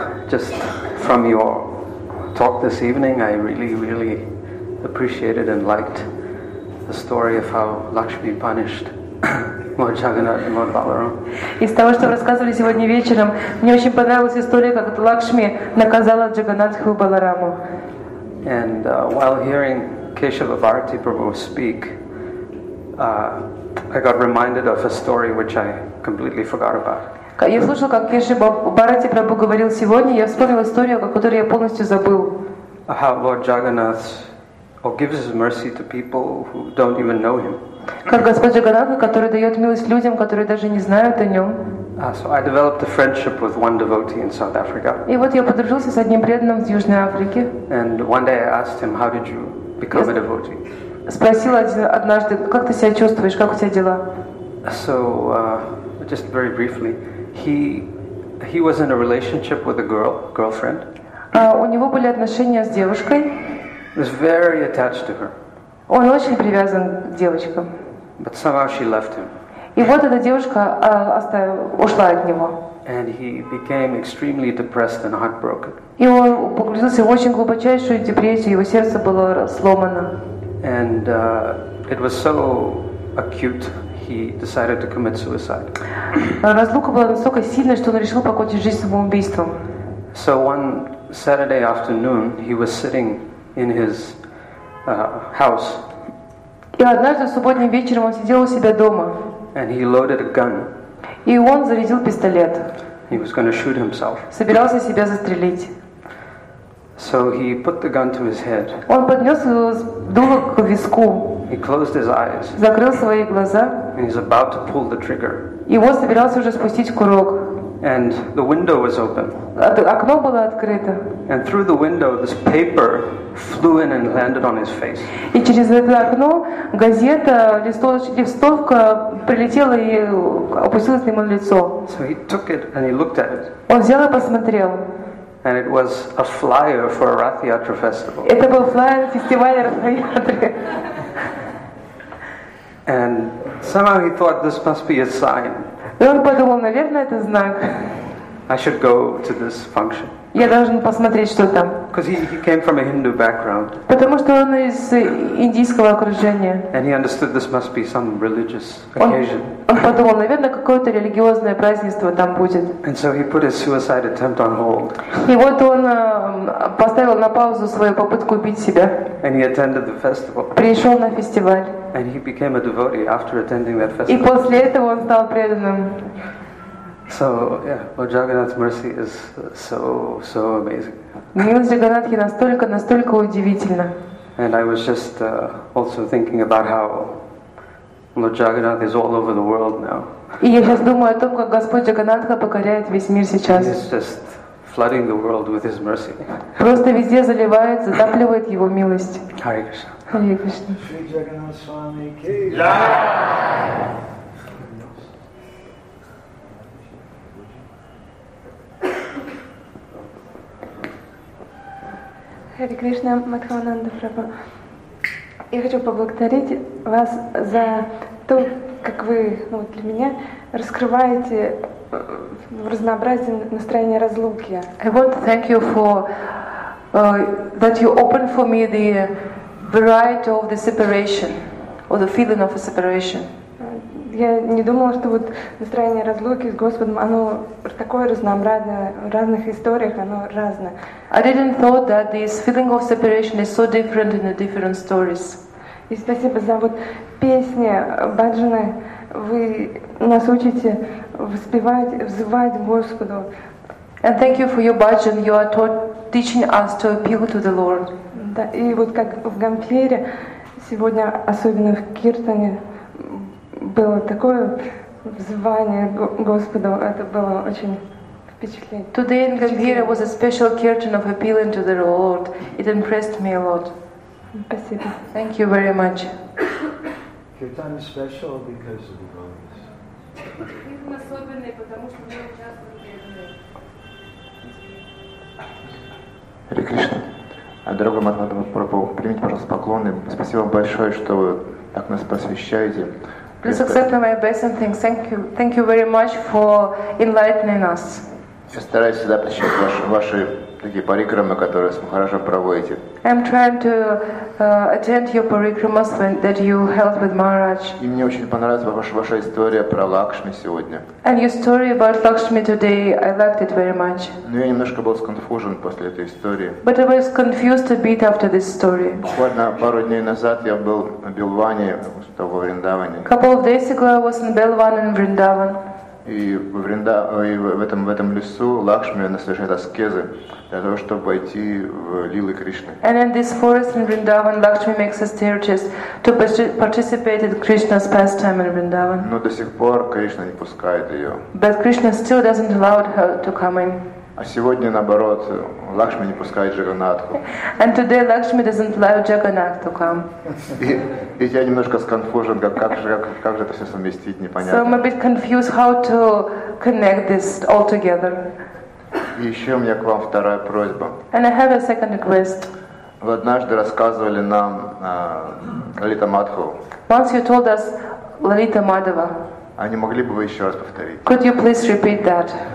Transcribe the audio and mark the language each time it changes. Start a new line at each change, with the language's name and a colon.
English: Just from your talk this evening, I really, really appreciated and liked the story of how Lakshmi punished Lord Jagannath and Lord Balaram.
Russian: Из того, что вы рассказывали сегодня вечером, мне очень понравилась история, как Лакшми наказала Джаганатху Балараму.
English: And while hearing Keshava Bharati Prabhu speak, I got reminded of a story which I completely forgot about.
Russian: Я слушал, как Кешава Бхарати Прабху говорил сегодня, я вспомнил историю, которую я полностью забыл.
English: How Lord Jagannath gives his mercy to people who don't even know him.
Russian: Как Господь Джаганнатх, который дает милость людям, которые даже не знают о нем.
English: So I developed a friendship with one devotee in South Africa.
Russian: И вот я подружился с одним преданным из Южной Африки.
English: And one day I asked him, how did you become a devotee?
Russian: Спросил однажды, как ты себя чувствуешь, как у тебя дела?
English: So just very briefly, he was in a relationship with a girlfriend.
Russian: У него были отношения с девушкой.
English: Was very attached to her.
Russian: Он очень привязан к девочкам.
English: But somehow she left him.
Russian: И вот эта девушка ушла от него.
English: And he became extremely depressed and heartbroken.
Russian: И он погрузился в очень глубочайшую депрессию, его сердце было сломано.
English: And it was so acute, he decided to commit suicide.
Russian: Разлука была настолько сильной, что он решил покончить жизнь самоубийством.
English: So one Saturday afternoon, he was sitting in his house.
Russian: И однажды субботним вечером он сидел у себя дома.
English: And he loaded a gun.
Russian: И он зарядил пистолет.
English: He was going to shoot himself.
Russian: Собирался себя застрелить.
English: So he put the gun to his head.
Russian: Он поднес дуло к виску.
English: He closed his eyes.
Russian: Закрыл свои глаза.
English: And he's about to pull the trigger.
Russian: И вот собирался уже спустить курок.
English: And the window was open.
Russian: Окно было открыто.
English: And through the window, this paper flew in and landed on his face.
Russian: И через это окно газета, листовка прилетела и опустилась ему на лицо.
English: So he took it and he looked at it.
Russian: Он взял и посмотрел.
English: And it was a flyer for a Ratha Yatra festival.
Russian: Это был флаер фестиваля Ратха Ятры.
English: And somehow he thought this must be a sign.
Russian: И он подумал, наверное, это знак.
English: I should go to this function.
Russian: Я должен посмотреть, что там.
English: Because he came from a Hindu background.
Russian: Потому что он из индийского окружения.
English: And he understood this must be some religious occasion.
Russian: Он подумал, наверное, какое-то религиозное празднество там будет.
English: And so he put his suicide attempt on hold.
Russian: И вот он поставил на паузу свою попытку убить себя.
English: And he attended the festival.
Russian: Пришел на фестиваль.
English: And he became a devotee after attending that festival.
Russian: И после этого он стал преданным.
English: So yeah, Lord Jagannath's mercy is so amazing.
Russian: Милость Джаганнатхи настолько удивительна.
English: And I was just also thinking about how Lord Jagannath is all over the world now.
Russian: И я сейчас думаю о том, как Господь Джаганнатха покоряет весь мир сейчас.
English: He's just flooding the world with his mercy.
Russian: Просто везде заливает, затапливает его милость.
English: Hare Krishna. Hare Krishna. Sri Jagannath Swami Ki.
Russian: Хари Кришна, Мадхавананда Прабху. Я хочу поблагодарить вас за то, как вы, ну, для меня раскрываете разнообразие настроения разлуки.
English: I want to thank you for that you open for me the variety of the separation or the feeling of a separation.
Russian: Я не думала, что вот настроение разлуки с Господом, оно такое разнообразное, в разных историях оно разное.
English: I didn't thought that this feeling of separation is so different in the different stories.
Russian: И спасибо за вот песни баджаны. Вы нас учите воспевать, взывать Господу.
English: And thank you for your bhajan. You are teaching us to appeal to the Lord.
Russian: Да, и вот как в Гамфире сегодня, особенно в киртане, было такое взывание Господу, это было очень впечатляюще.
English: Today in Gambhira was a special kirtan of appealing to the Lord. It impressed me a lot.
Russian: Спасибо.
English: Thank you very much. Kirtan is special because of the gopis. Hare Krishna.
Russian: А дорогой Мадхава Прабху, примите, пожалуйста, поклоны. Спасибо вам большое, что вы так нас просвещаете.
English: Please accept my best and thanks. Thank you. Thank you very much for enlightening us.
Russian: Я стараюсь всегда посещать ваши такие парикрамы, которые вы хорошо проводите.
English: I'm trying to attend your parikramas that you held with Maharaj.
Russian: И мне очень понравилась ваша история про Лакшми сегодня.
English: And your story about Lakshmi today, I liked it very much.
Russian: Но я немножко был сконфужен после этой истории.
English: But I was confused a bit after this story.
Russian: Буквально пару дней назад я был в Белване, во Вриндаване.
English: Couple of days ago I was in Belvane and Vrindavan.
Russian: И в этом лесу Лакшми совершает аскезы для того, чтобы войти в лилы Кришны.
English: And in this forest in Vrindavan, Lakshmi makes austerities to participate in Krishna's pastime in Vrindavan.
Russian: Но до сих пор Кришна не пускает ее.
English: But Krishna still doesn't allow her to come in.
Russian: А сегодня, наоборот, Лакшми не пускает Джаганнатху.
English: And today Lakshmi doesn't allow Jagannath to come.
Russian: И я немножко сконфужен, как же это все совместить, непонятно.
English: So I'm a bit confused how to connect this all together.
Russian: И еще у меня к вам вторая просьба.
English: And I have a second request.
Russian: Вы однажды рассказывали нам Лалита Мадхаву.
English: Once you told us Лалита Мадхава.
Russian: А не могли бы вы еще раз повторить?
English: Could you please repeat that?